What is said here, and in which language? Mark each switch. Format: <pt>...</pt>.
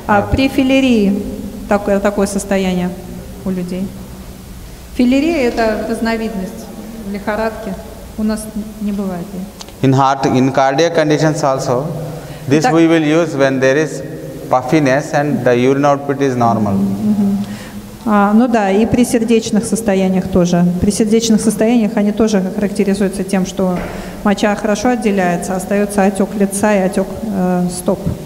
<ru>При филерии такое состояние у людей. Филерия – это разновидность лихорадки. У нас не бывает.</ru> <en>In cardiac conditions also, this we will use when there is puffiness and the urine output is normal.</en> <ru>Ну да, и при сердечных состояниях тоже. При сердечных состояниях они тоже характеризуются тем, что моча хорошо отделяется, остается отек лица и отек стоп.</ru>